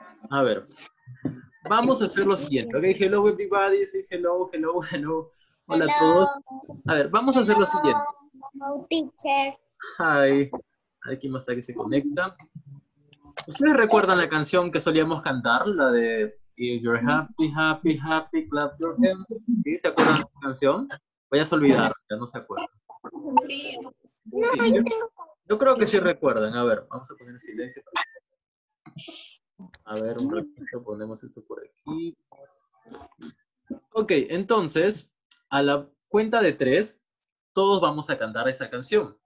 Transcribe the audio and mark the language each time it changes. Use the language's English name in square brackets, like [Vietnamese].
[Spanish] A ver. Vamos a hacer lo siguiente. [English] Okay, hello, everybody. Say hello, hello, hello. [Spanish] Hola a todos. A ver, vamos a hacer lo siguiente. [English] Hello, teacher. Hi. [Spanish] Hay quien más que se conecta. ¿Ustedes recuerdan la canción que solíamos cantar? [English] La de If you're happy, happy, happy, clap your hands. [Spanish] ¿Sí? ¿Se acuerdan de la canción? Voy a olvidar, ya no se acuerdan. No, sí, yo creo que sí recuerdan. A ver, vamos a poner en silencio. A ver, un ratito, ponemos esto por aquí. Ok, entonces, a la cuenta de tres, todos vamos a cantar esa canción.